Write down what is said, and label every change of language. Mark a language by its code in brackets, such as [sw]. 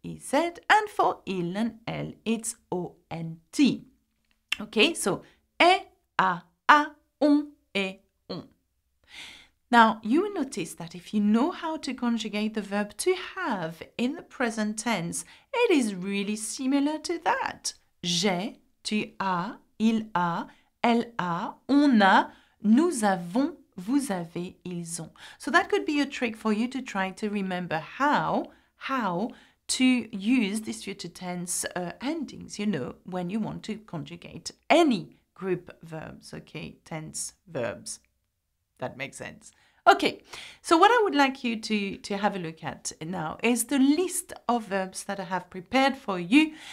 [en] Z, and for il and elle, it's O-N-T. Okay, so, e, a, a, on, e, on. Now, you will notice that if you know how to conjugate the verb to have in the present tense, it is really similar to that. [fr] J'ai, tu as, il a, elle a, on a, nous avons, vous avez, ils ont. [en] So that could be a trick for you to try to remember how, to use this future tense endings, you know, when you want to conjugate any group verbs, okay, tense verbs. That makes sense. Okay, so what I would like you to have a look at now is the list of verbs that I have prepared for you.